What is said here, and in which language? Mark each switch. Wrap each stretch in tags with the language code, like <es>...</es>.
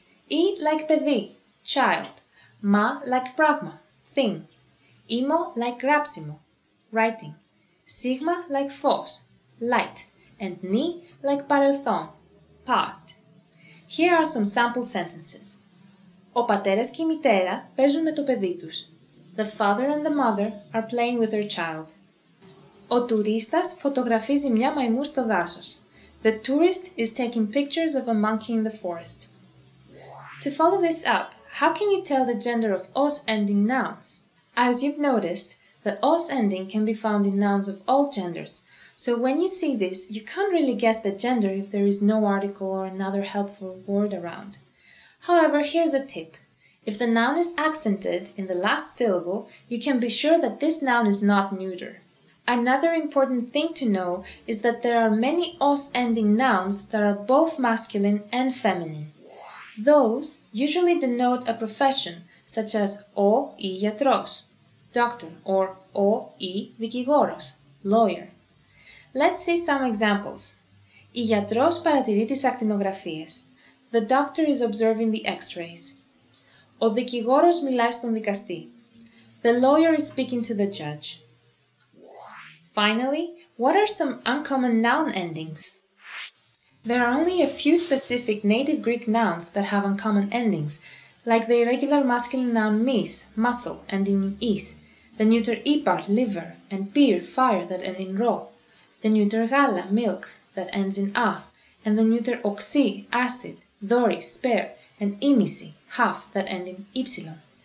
<en>E like pedi, child. Ma like pragma, thing. Imo like grapsimo, writing. Sigma like fos, light. And ni like parelthon, past. Here are some sample sentences.</en> <el>Ο πατέρας και η μητέρα παίζουν με το παιδί τους.</el> <en>The father and the mother are playing with their child.</en> <el>Ο τουρίστας φωτογραφίζει μια μαϊμού στο δάσος.</el> <en>The tourist is taking pictures of a monkey in the forest. To follow this up, how can you tell the gender of os ending nouns? As you've noticed, the os ending can be found in nouns of all genders. So when you see this, you can't really guess the gender if there is no article or another helpful word around. However, here's a tip. If the noun is accented in the last syllable, you can be sure that this noun is not neuter. Another important thing to know is that there are many os ending nouns that are both masculine and feminine. Those usually denote a profession, such as o I γιατρός, doctor, or o I δικηγόρος, lawyer. Let's see some examples.</en> <el>Η γιατρός παρατηρεί τις ακτινογραφίες.</el> <en>The doctor is observing the x-rays.</en> <el>Ο δικηγόρος μιλάει στον δικαστή.</el> <en>The lawyer is speaking to the judge. Finally, what are some uncommon noun endings? There are only a few specific native Greek nouns that have uncommon endings, like the irregular masculine noun mis, muscle, ending in is, the neuter ipar, liver, and pir, fire, that end in ro, the neuter gala, milk, that ends in a, and the neuter oxy, acid, dori, spare, and imisi, half, that end in ypsilon.</en>